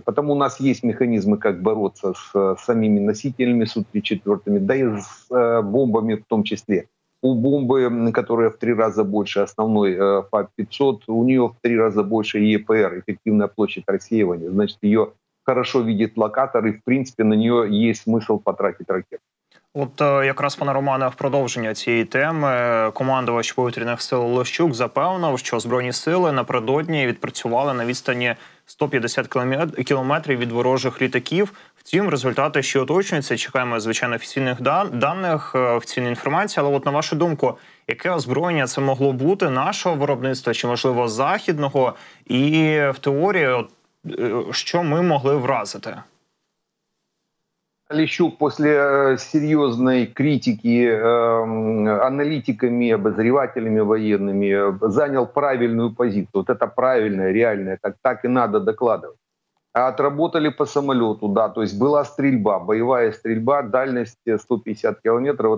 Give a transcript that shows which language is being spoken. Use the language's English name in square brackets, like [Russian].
[Russian] Потому у нас есть механизмы, как бороться с самими носителями Су-34, да и с бомбами в том числе. У бомбы, которая в 3 раза больше основной ФАБ-500, у нее в 3 раза больше ЕПР, эффективная площадь рассеивания. Значит, ее хорошо видит локатор, и в принципе на нее есть смысл потратить ракету. [Ukrainian] От якраз, пане Романе, в продовження цієї теми командувач повітряних сил Лещук запевнив, що Збройні сили напередодні відпрацювали на відстані 150 кілометрів від ворожих літаків. Втім, результати ще уточнюються, чекаємо, звичайно, офіційних даних, офіційної інформації. Але от на вашу думку, яке озброєння це могло бути, нашого виробництва чи, можливо, західного? І в теорії, що ми могли вразити? [Russian] Лещук после серьезной критики аналитиками, обозревателями военными занял правильную позицию. Вот это правильное, реальное, так и надо докладывать. Отработали по самолету, да, то есть была стрельба, боевая стрельба, дальность 150 километров.